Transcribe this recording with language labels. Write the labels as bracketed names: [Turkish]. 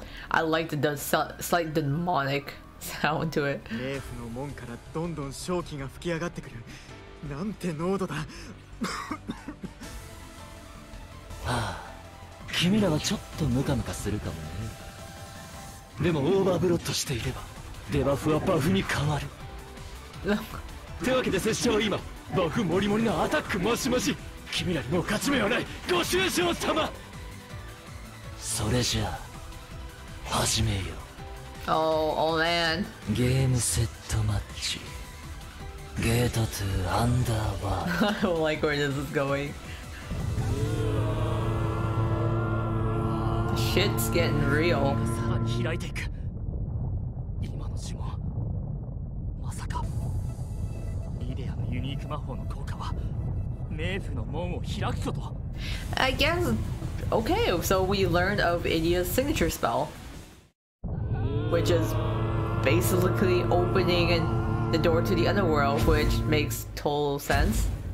[English] I like the slight demonic sound to it. [Japanese] Neff の門からどんどん蒸気が吹き上がってくる。なんて濃度だ。君らはちょっとムカムカするかもね。でもオーバーブロッドしていればデバフはバフに変わる。ってわけで拙者は今バフモリモリのアタックマシマシ。君らにもう勝ち目はない。ご愁傷様。それじゃあ始めよう。 [English] Oh man. [Japanese] ゲームセットマッチ。ゲート2アンダーワールド。 [English] I don't like where this is going. Shit's getting real. [Japanese] さらに開いていく。今の呪文、まさか。イデアのユニーク魔法の効果は、冥府の門を開くこと。 [English] I guess. Okay, so we learned of Idea's signature spell, which is basically opening the door to the underworld, which makes total sense.